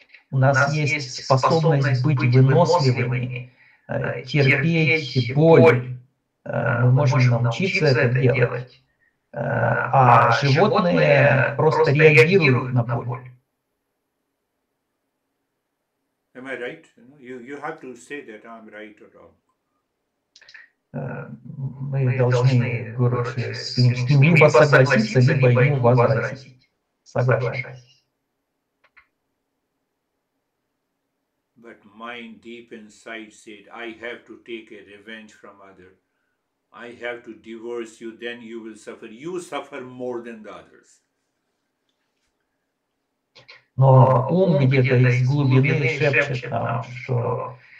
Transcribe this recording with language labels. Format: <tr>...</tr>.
<ru>У нас есть способность быть выносливыми. Терпеть боль, мы можем научиться это делать, а животные просто реагируют на боль.</ru> <en>Am I right? You have to say that I'm right or wrong.</en> <ru>Мы должны, Гуруджи, с ним либо согласиться, либо ему возразить. Соглашайтесь.</ru> <en>But mind deep inside said, I have to take a revenge from other. I have to divorce you, then you will suffer. You suffer more than the others.</en> <ru>Но ум где-то из глубины шепчет нам, что</ru>